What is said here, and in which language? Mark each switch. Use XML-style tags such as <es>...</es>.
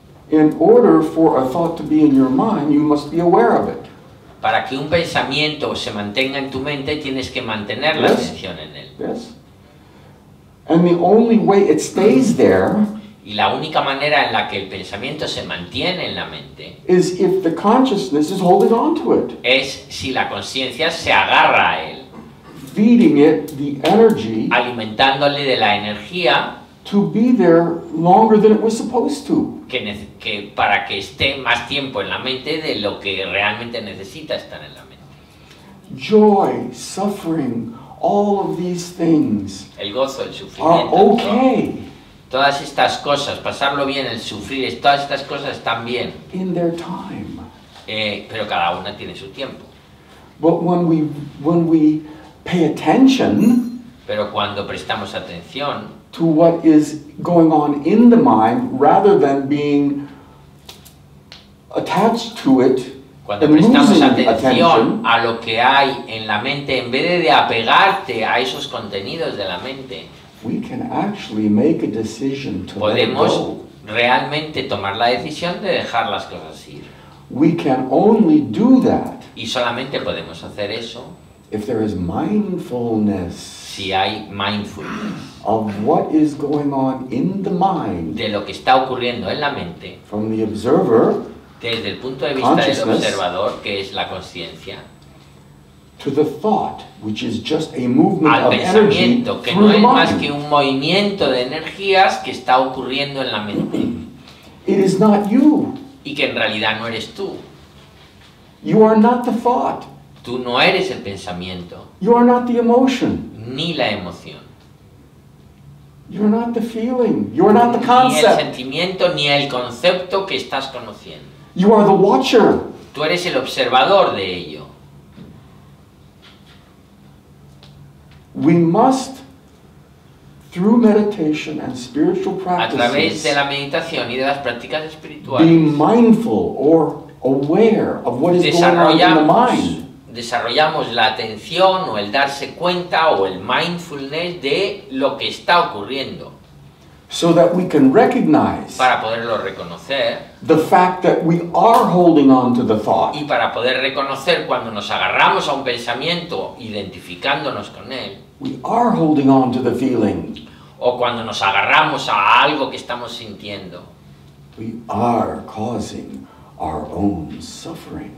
<en>In order for a thought to be in your mind, you must be aware of it.</en> <es>Para que un pensamiento se mantenga en tu mente, tienes que mantener la atención en él.</es> <en>Yes. And the only way it stays there.</en> <es>Y la única manera en la que el pensamiento se mantiene en la mente.</es> <en>Is if the consciousness is holding on to it.</en> <es>Es si la conciencia se agarra a él.</es> <en>Feeding it the energy,</en> <es>alimentándole de la energía,</es> <en>to be there longer than it was supposed to,</en> <es>que para que esté más tiempo en la mente de lo que realmente necesita estar en la mente.</es> <en>Joy, suffering, all of these things,</en> <es>el gozo, el sufrimiento,</es> <en>are okay.</en> <es>Todas estas cosas, pasarlo bien, el sufrir, todas estas cosas están bien.</es> <en>In their time,</en> <es>pero cada una tiene su tiempo.</es> <en>But when we pay attention.</en> <es>Pero cuando prestamos atención</es> <en>to what is going on in the mind, rather than being attached to it,</en> <es>cuando prestamos atención a lo que hay en la mente, en vez de apegarte a esos contenidos de la mente,</es> <en>we can actually make a decision to</en> <es>podemos</es> <en>let go.</en> <es>Realmente tomar la decisión de dejar las cosas ir.</es> <en>We can only do that.</en> <es>Y solamente podemos hacer eso.</es> <en>If there is mindfulness,</en> <es>si hay mindfulness</es> <en>of what is going on in the mind,</en> <es>de lo que está ocurriendo en la mente,</es> <en>from the observer,</en> <es>desde el punto de vista del observador, que es la conciencia,</es> <en>to the thought, which is just a movement of energy,</en> <es>al pensamiento, que no es más que un movimiento de energías que está ocurriendo en la mente,</es> <en>it is not you,</en> <es>y que en realidad no eres tú,</es> <en>you are not the thought.</en> <es>Tú no eres el pensamiento.</es> <en>You are not the emotion.</en> <es>Ni la emoción.</es> <en>You are not the feeling. You are not the concept.</en> <es>Ni el sentimiento ni el concepto que estás conociendo.</es> <en>You are the watcher.</en> <es>Tú eres el observador de ello.</es> <en>We must, through meditation and spiritual practices,</en> <es>a través de la meditación y de las prácticas espirituales,</es> <en>be mindful or aware of what is going on in the mind.</en> <es>Desarrollamos la atención o el darse cuenta o el mindfulness de lo que está ocurriendo.</es> <en>So that we can recognize,</en> <es>para poderlo reconocer,</es> <en>the fact that we are holding on to the thought.</en> <es>Y para poder reconocer cuando nos agarramos a un pensamiento identificándonos con él.</es> <en>We are holding on to the feeling.</en> <es>O cuando nos agarramos a algo que estamos sintiendo.</es> <en>We are causing our own suffering.</en>